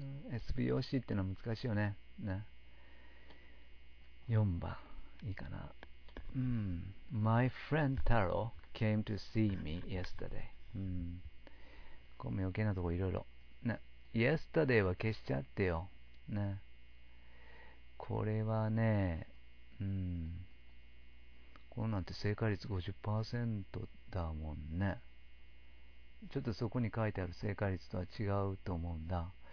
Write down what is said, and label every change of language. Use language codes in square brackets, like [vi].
[ja] SVOC っていうのは難しいよね。ね。4番。いいかな。 [en] My friend Taro came to see me yesterday. [ja] ごめん、余計なとこいろいろ。ね。 yesterday は消しちゃってよ。ね。これはね、これなんて正解率 50% だもんね。ちょっとそこに書いてある正解率とは違うと思うんだ。